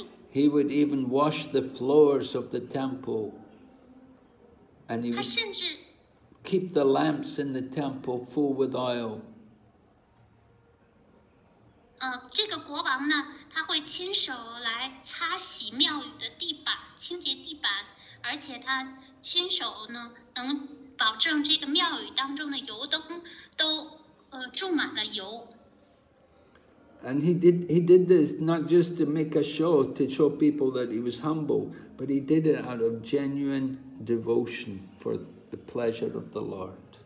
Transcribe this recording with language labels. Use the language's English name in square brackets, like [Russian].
[English] He would even wash the floors of the temple and he would keep the lamps in the temple full with oil. [Chinese] 这个国王呢，他会亲手来擦洗庙宇的地板，清洁地板，而且他亲手呢，能保证这个庙宇当中的油灯都注满了油。 [English] And he did this not just to make a show to show people that he was humble, but he did it out of genuine devotion for the pleasure of the Lord.